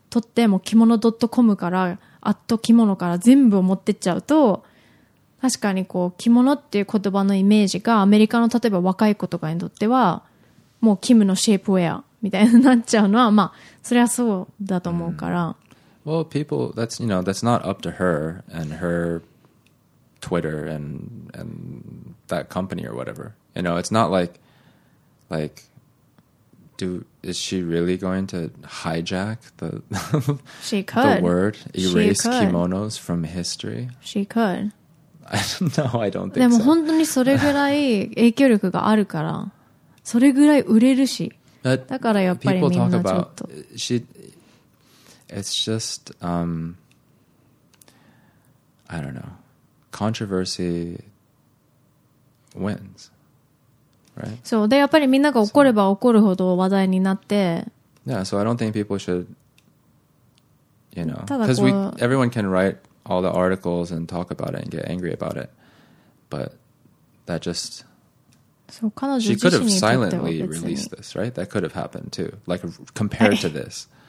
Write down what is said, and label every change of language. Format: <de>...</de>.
<ja>取って、もう着物 .com から、アット着物から全部を持ってっちゃうと、確かにこう、着物っていう言葉のイメージが、アメリカの例えば若い子とかにとっては、もうキムのシェイプウェア、みたいになっちゃうのは、まあ、それはそうだと思うから。うん</ja> <en>Well, people, that's, you know, that's not up to her and her Twitter and that company or whatever. You know, it's not like, is she really going to hijack the, she could. the word, erase kimonos from history? She could. No, I don't think so.</en> <ja>でも本当にそれぐらい影響力があるから、それぐらい売れるし、</ja> <en>But、</en> <ja>だからやっぱりみんなちょっと。</ja> <en>People talk about, she,It's just, I don't know. Controversy wins, right?</en> <ja>そうでやっぱりみんなが怒れば怒るほど話題になって。</ja> <en>Yeah, so I don't think people should, you know, because everyone can write all the articles and talk about it and get angry about it, but that just</en> <ja>そう彼女自身</ja> <en>she could have silently released this, right? That could have happened too, like compared to this.</en>